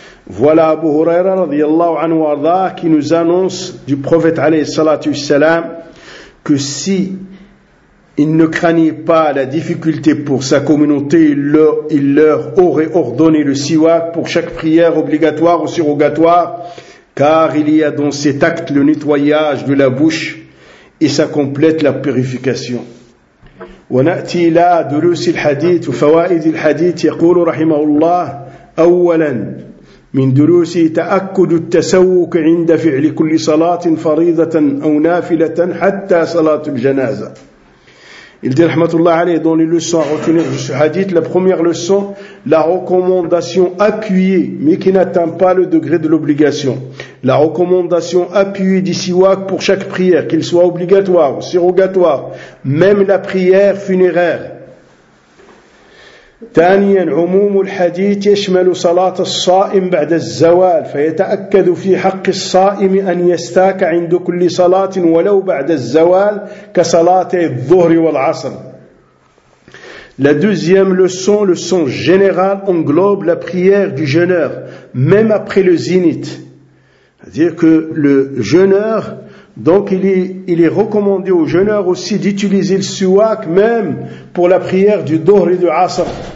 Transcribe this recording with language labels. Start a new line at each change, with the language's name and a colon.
French: Voilà Abu Huraira
Arabic: radiallahu anhu
French: arda qui nous annonce du prophète
Arabic: alayhi salatu salam
French: que si il ne craignait pas la difficulté pour sa communauté, il leur aurait ordonné le siwak pour chaque prière obligatoire ou surrogatoire, car il y a dans cet acte le nettoyage de la bouche et ça complète la purification.
Arabic: ونأتي إلى دروس الحديث وفوائد الحديث. يقول رحمه الله: أولا من دروس تأكد التسوك عند فعل كل صلاة فريضة أو نافلة حتى صلاة الجنازة.
French: Il dit
Arabic: rahmatullah alayhi,
French: dans les leçons à retenir de ce hadith, la première leçon, la recommandation appuyée, mais qui n'atteint pas le degré de l'obligation. La recommandation appuyée du siwak pour chaque prière, qu'il soit obligatoire ou surrogatoire, même la prière funéraire.
Arabic: ثانيا عموم الحديث يشمل صلاة الصائم بعد الزوال فيتأكد في حق الصائم أن يستاك عند كل صلاة ولو بعد الزوال كصلاة الظهر والعصر.
French: La deuxième leçon, le sens général, englobe la prière du jeûneur même après le zénith. C'est-à-dire que le jeûneur, donc il est recommandé au jeûneur aussi d'utiliser le siwak même pour la prière du dhuhr et du asr.